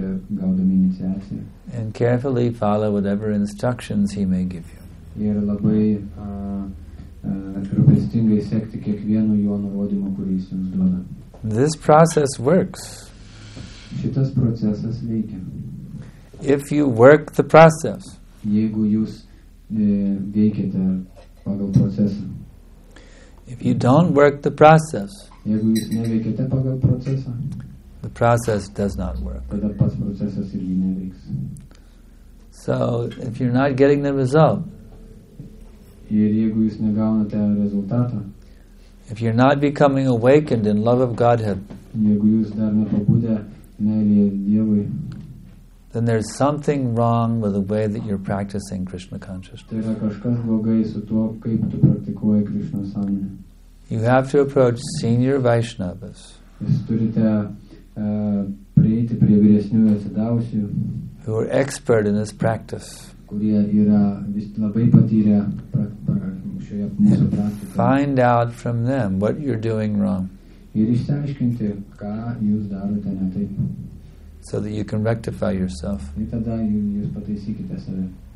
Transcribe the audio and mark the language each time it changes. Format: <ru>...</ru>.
<en>And carefully follow whatever instructions he may give you.</en> <lt>Ir labai rūpestingai sekti kiekvieno jo nurodymo, kurį jis jums duoda.</lt> <en>This process works.</en> <lt>Šitas procesas veikia.</lt> <en>If you work the process,</en> <lt>jeigu jūs veikiate pagal procesą.</lt> <en>If you don't work the process,</en> <lt>jeigu jūs neveikiate pagal procesą,</lt> <en>the process does not work.</en> <lt>Tada pats procesas irgi neveiks.</lt> <en>So, if you're not getting the result,</en> <lt>ir jeigu jūs negaunate rezultatą,</lt> <en>if you're not becoming awakened in love of Godhead,</en> <lt>jeigu jūs dar nepabudę meilėje Dievui,</lt> <en>then there's something wrong with the way that you're practicing Krishna consciousness.</en> <lt>Tai yra kažkas blogai su tuo, kaip tu praktikuoji Krishna sąmonę.</lt> <en>You have to approach senior Vaishnavas.</en> <lt>Jūs turite prieiti prie vyresniųjų atsidavusių,</lt> <en>who are expert in this practice,</en> <lt>kurie yra labai patyrę šioje mūsų praktikoje.</lt> <en>Find out from them what you're doing wrong.</en> <lt>Ir išsiaiškinti, ką jūs darote ne taip.</lt> <en>So that you can rectify yourself.</en> <lt>Ir tada jūs pataisykite save.</lt>